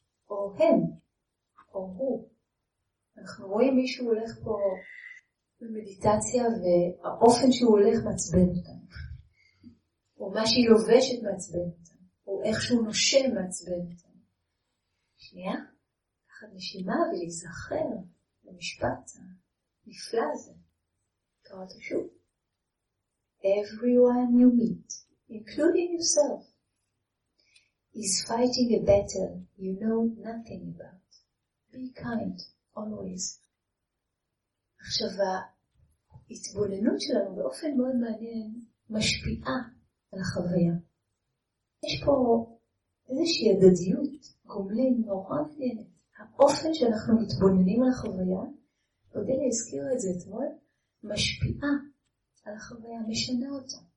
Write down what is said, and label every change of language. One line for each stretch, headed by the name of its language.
Hebrew: או הם, או הוא. אנחנו רואים מישהו הולך פה במדיטציה והאופן שהוא הולך מעצבן אותנו. או מה שהיא לובשת מעצבן אותנו. או איך שהוא נושם מעצבן אותנו. שנייה, לקחת נשימה ולהיזכר במשפט הנפלא הזה. קראת שוב.
English: Everyone you meet, including yourself, is fighting a battle you know nothing about. Be kind. always.
Hebrew: עכשיו, ההתבוננות שלנו באופן מאוד מעניין משפיעה על החוויה. יש פה איזושהי הדדיות, גומלין, נורא מעניינת. האופן שאנחנו מתבוננים על החוויה, עודי להזכיר את זה אתמול, משפיעה על החוויה, משנה אותה.